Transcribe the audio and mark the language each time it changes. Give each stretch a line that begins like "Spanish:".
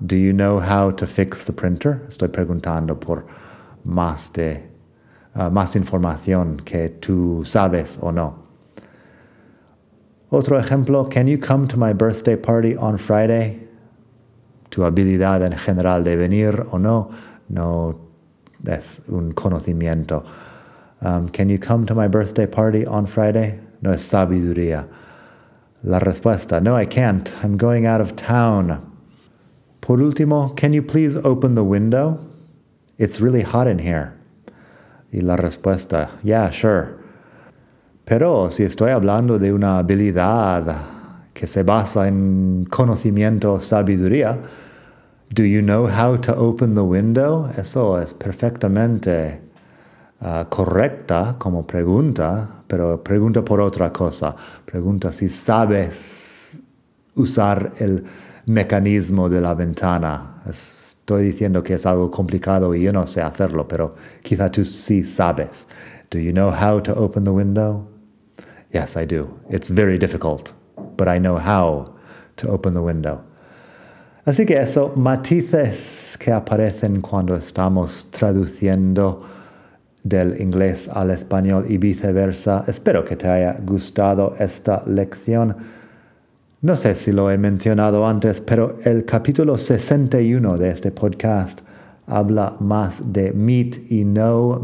English: Do you know how to fix the printer?
Spanish: Estoy preguntando por más información que tú sabes o no. Otro ejemplo,
English: can you come to my birthday party on Friday?
Spanish: Tu habilidad en general de venir o no, no. Es un conocimiento.
English: Can you come to my birthday party on Friday?
Spanish: No es sabiduría. La respuesta, no,
English: I can't. I'm going out of town.
Spanish: Por último,
English: can you please open the window? It's really hot in here.
Spanish: Y la respuesta,
English: yeah, sure.
Spanish: Pero si estoy hablando de una habilidad que se basa en conocimiento o sabiduría,
English: do you know how to open the window?
Spanish: Eso es perfectamente correcta como pregunta, pero pregunta por otra cosa. Pregunta si sabes usar el mecanismo de la ventana. Estoy diciendo que es algo complicado y yo no sé hacerlo, pero quizá tú sí sabes.
English: Do you know how to open the window? Yes, I do. It's very difficult, but I know how to open the window.
Spanish: Así que eso, matices que aparecen cuando estamos traduciendo del inglés al español y viceversa. Espero que te haya gustado esta lección. No sé si lo he mencionado antes, pero el capítulo 61 de este podcast habla más de meet y know.